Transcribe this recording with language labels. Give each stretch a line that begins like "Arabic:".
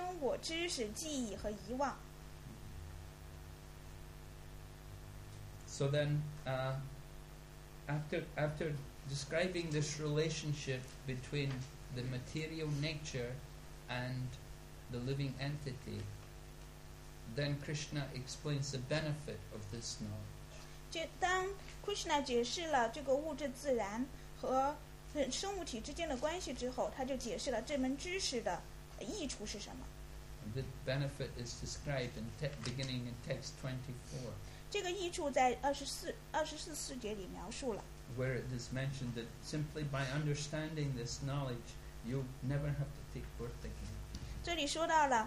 Chinese: 然后他在众生的心中给予每一个生物知识、记忆和遗忘。
English: So then, after describing this relationship between the material nature and the living entity, then Krishna explains the benefit of this knowledge.
Chinese: 就当 Krishna 解释了这个物质自然和
English: The benefit is described in beginning in text 24.
Chinese: 这个益处在24节里描述了。
English: Where it is mentioned that simply by understanding this knowledge, you never have to take birth again.